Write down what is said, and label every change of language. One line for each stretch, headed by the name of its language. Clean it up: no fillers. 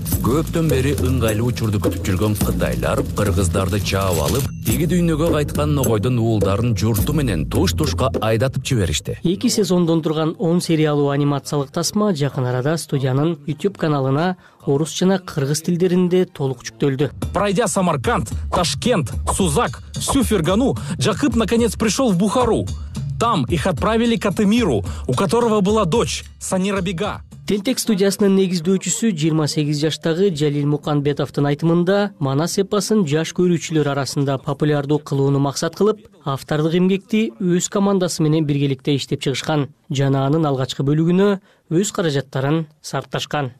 Kyrgyz: Көптөн бери ыңгайлуу учурду күтүп жүргөн кытайлар кыргыздарды чаап алып, теги дүйнөгө кайткан ногойдун уулдарын журту менен туш-тушка айдатып жиберишти. Эки сезондон турган 10 сериялуу анимациялык тасма жакын арада студиянын YouTube каналына орус жана кыргыз тилдеринде толук жүктөлдү.
Russian: Пройдя Самарканд, Ташкент, Сузак, всю Фергану, Жакып наконец пришел в Бухару. Там их отправили к Атемиру, у которого была дочь, Санира Бега.
Kyrgyz: Тентек студиясынын негиздөөчүсү 28 жаштагы Жалил Муканбетовдун айтымында Манас эпосун жаш көрүүчүлөр арасында популярдуу кылууну максат кылып, автордук эмгекти өз командасы менен биргеликте иштеп чыгышкан жана анын алгачкы бөлүгүнө өз каражаттарын сарпташкан.